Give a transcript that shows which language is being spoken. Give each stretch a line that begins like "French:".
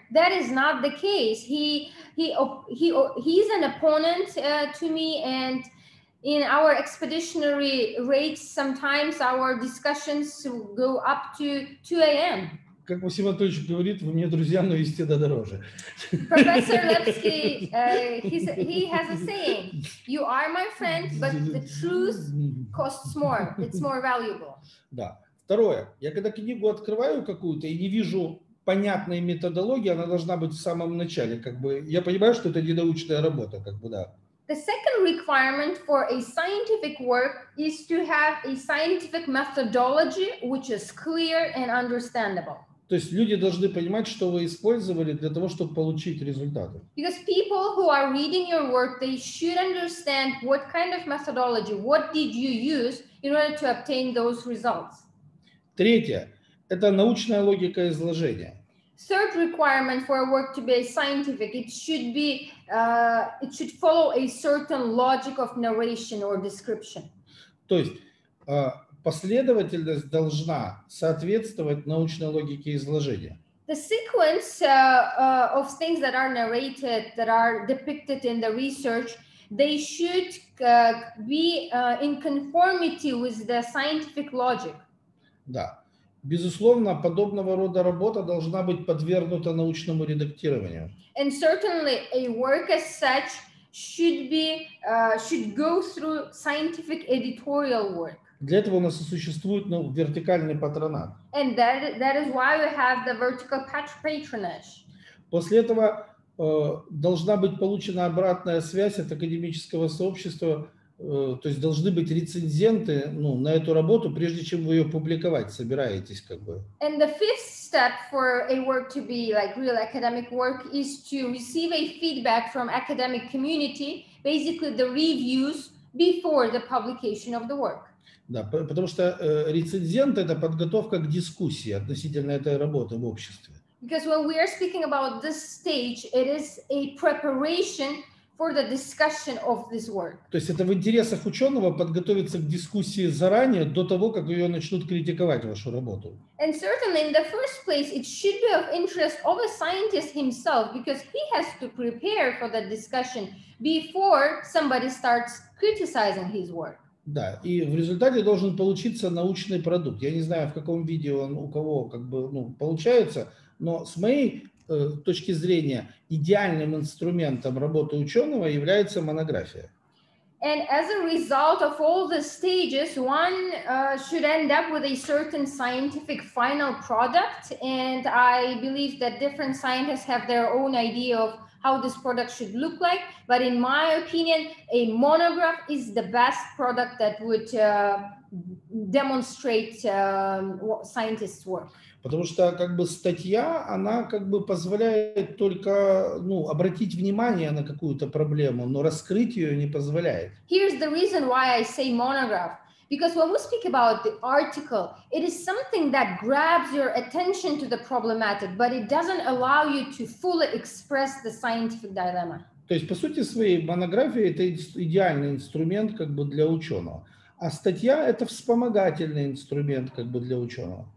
English: That is not the case. He's an opponent to me, and in our expeditionary raids, sometimes our discussions go up to 2 a.m.
Russian: Как Максим Анатольевич говорит, вы мне друзья, но истина дороже.
English: Professor Lepsky, he has a saying: "You are my friend, but the truth costs more. It's more valuable."
Russian: Да. Второе. Я когда книгу открываю какую-то и не вижу понятной методологии, она должна быть в самом начале. Как бы, я понимаю, что это не научная работа, как бы да.
English: The second requirement for a scientific work is to have a scientific methodology, which is clear and understandable.
Russian: То есть люди должны понимать, что вы использовали для того, чтобы получить результаты.
English: Because people who are reading your work, they should understand what kind of methodology, what did you use in order to obtain those results.
Russian: Третье. Это научная логика изложения.
English: Third requirement for a work to be scientific, it should follow a certain logic of narration or description.
Russian: То есть последовательность должна соответствовать научной логике изложения.
English: The sequence of things that are narrated, that are depicted in the research, they should be in conformity with the scientific logic.
Russian: Да. Безусловно, подобного рода работа должна быть подвергнута научному редактированию.
English: And certainly a work as such should go through scientific editorial work.
Russian: Для этого у нас и существует, ну, вертикальный патронат.
English: And that is why we have the vertical patronage.
Russian: После этого должна быть получена обратная связь от академического сообщества. То есть должны быть рецензенты, ну, на эту работу, прежде чем вы ее публиковать собираетесь, как бы.
English: And the fifth step for a work to be like real academic work is to receive a feedback from academic community, basically the reviews before the publication of the work.
Russian: Да, потому что рецензент — это подготовка к дискуссии относительно этой работы в обществе.
English: Because when we are speaking about this stage, it is a preparation for the discussion of this work.
Russian: То есть это в интересах ученого подготовиться к дискуссии заранее до того, как ее начнут критиковать вашу работу.
English: And certainly in the first place, it should be of interest of a scientist himself, because he has to prepare for the discussion before somebody starts criticizing his work.
Russian: Да, и в результате должен получиться научный продукт. Я не знаю, в каком виде он у кого как бы ну получается, но с моей точки зрения идеальным инструментом работы ученого является монография.
English: And as a result of all the stages, one should end up with a certain scientific final product, and I believe that different scientists have their own idea of how this product should look like, but in my opinion, a monograph is the best product that would demonstrate scientists' work.
Russian: Потому что как бы статья, она как бы позволяет только ну обратить внимание на какую-то проблему, но раскрыть ее не позволяет.
English: Here's the reason why I say monograph. Because when we speak about the article, it is something that grabs your attention to the problematic, but it doesn't allow you to fully express the scientific dilemma.
Russian: То есть, по сути своей, монография – это идеальный инструмент как бы для ученого. А статья – это вспомогательный инструмент как бы для ученого.